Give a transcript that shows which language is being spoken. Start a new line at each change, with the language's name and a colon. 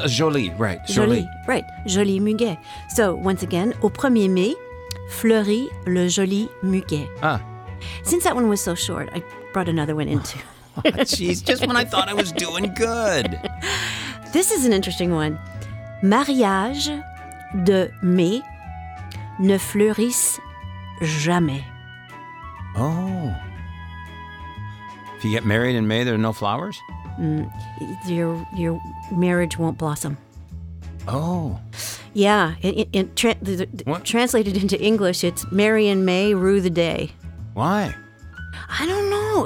English: Oh,
French: joli,
English: right.
French: Joli,
English: right.
French: Joli muguet.
English: So, once again,
French: au 1er mai, fleurit le joli muguet. Ah.
English: Since that one was so short, I brought another one in too. Jeez, just when I thought I was doing good. This is an interesting one.
French: Mariage de mai ne fleurisse jamais. Oh.
English: If you get married in May, there are no flowers? Your marriage won't blossom. Oh. Yeah. Translated into English, it's marry in May, rue the day. Why? I don't know.